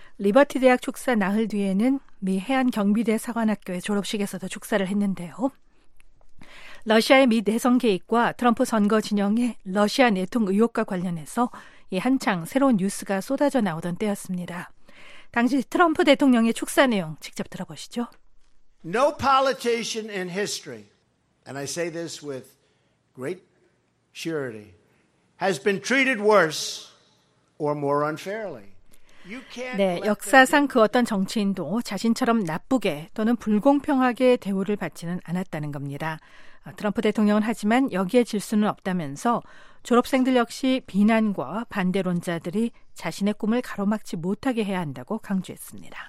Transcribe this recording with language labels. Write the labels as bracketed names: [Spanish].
[Korean] 리버티 대학 축사 나흘 뒤에는 미 해안 경비대 사관학교의 졸업식에서도 축사를 했는데요. 러시아의 미 대선 개입과 트럼프 선거 진영의 러시아 내통 의혹과 관련해서 이 한창 새로운 뉴스가 쏟아져 나오던 때였습니다. 당시 트럼프 대통령의 축사 내용 직접 들어보시죠. [English] No politician in history, and I say this with great surety, has been treated worse or more unfairly. [Korean] 네, 역사상 그 어떤 정치인도 자신처럼 나쁘게 또는 불공평하게 대우를 받지는 않았다는 겁니다. 트럼프 대통령은 하지만 여기에 질 수는 없다면서 졸업생들 역시 비난과 반대론자들이 자신의 꿈을 가로막지 못하게 해야 한다고 강조했습니다.